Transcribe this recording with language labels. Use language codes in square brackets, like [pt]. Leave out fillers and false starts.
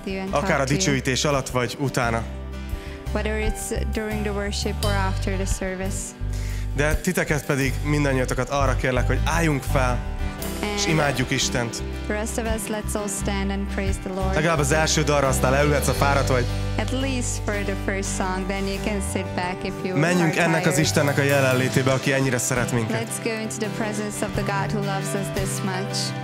[hu] Akár a dicsőítés alatt, vagy utána. [en] Whether it's during the worship or after the service. [hu] De titeket pedig, mindannyiatokat arra kérlek, hogy álljunk fel, és imádjuk Istent. [en] The rest of us, let's all stand and praise the Lord. [hu] Legalább az első dalra, aztán leülhetsz a fáradt vagy. [en] At least for the first song, then you can sit back if you are tired. [hu] Menjünk ennek [en] tired. [hu] Az Istennek a jelenlétébe, aki ennyire szeret minket. [en] Let's go into the presence of the God who loves us this much.